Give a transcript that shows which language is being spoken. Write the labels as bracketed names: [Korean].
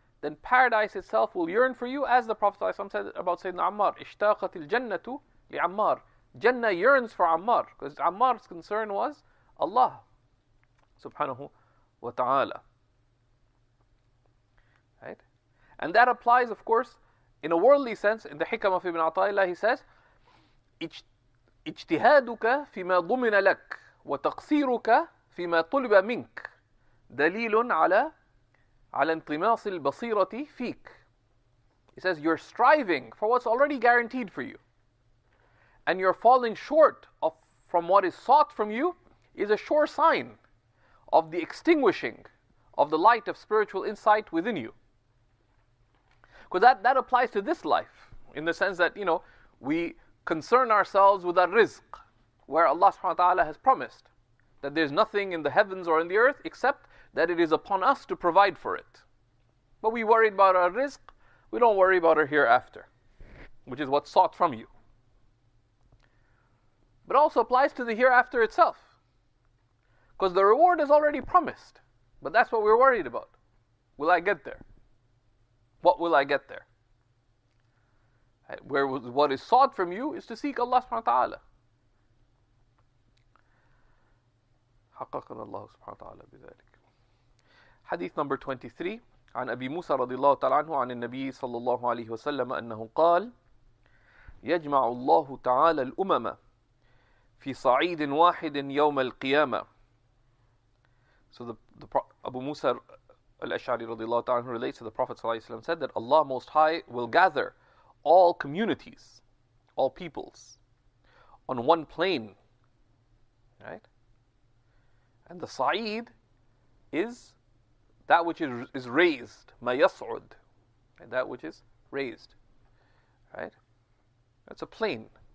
[English] then paradise itself will yearn for you, as the Prophet ﷺ said about Sayyidina Ammar, [Arabic] اشتاقت الجنة لعمار. [English] Jannah yearns for Ammar, because Ammar's concern was Allah subhanahu wa ta'ala. Right? And that applies, of course, in a worldly sense. In the Hikam of Ibn Ata'illah, he says, [Arabic] اجتهادك فيما ضمن لك وتقصيرك فيما طلب منك دليل على انطماس البصيرة فيك. [English] He says, you're striving for what's already guaranteed for you, and you're falling short of from what is sought from you is a sure sign of the extinguishing of the light of spiritual insight within you. Because that applies to this life, in the sense that, you know, we concern ourselves with our rizq, where Allah subhanahu wa ta'ala has promised that there's nothing in the heavens or in the earth except that it is upon us to provide for it. But we worry about our rizq, we don't worry about our hereafter, which is what's sought from you. But also applies to the hereafter itself, because the reward is already promised. But that's what we're worried about. Will I get there? What will I get there? Where what is sought from you is to seek Allah subhanahu wa ta'ala. [Arabic] حققنا الله سبحانه وتعالى بذلك. [English] Hadith number 23, [Arabic] عن أبي موسى رضي الله تعالى عنه عن النبي صلى الله عليه وسلم أنه قال يجمع الله تعالى الأمم في صعيد واحد يوم القيامة. [English] So the Abu Musa al-Ash'ari radiallahu ta'ala relates to the Prophet sallallahu alayhi wa sallam said that Allah Most High will gather all communities, all peoples, on one plane. Right? And the sa'id is that which is raised, ma yas'ud, and that which is raised. Right? That's a plane.